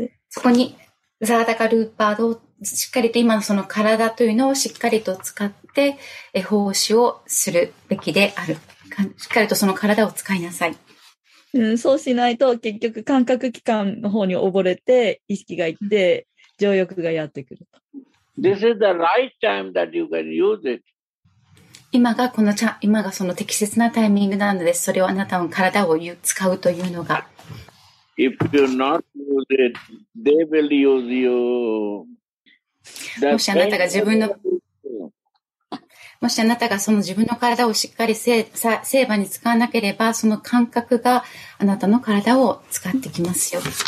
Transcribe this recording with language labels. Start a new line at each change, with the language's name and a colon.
Japanese: そこにサダカルーパードをしっかりと今のその体というのをしっかりと使って奉仕をするべきである。しっかりとその体を使いなさい。うん、そうしないと結局感覚器官の方に溺れて意識がいって情欲がやってくると。
English: This is the right time that you can use it.
Japanese: 今がこの今がその適切なタイミングなのです。それをあなたの体を使うというのが。
English: If you not use it, they will use you.
Japanese: もしあなたが自分の、もしあなたがその自分の体をしっかり成果に使わなければ、その感覚があなたの体を使ってきますよ。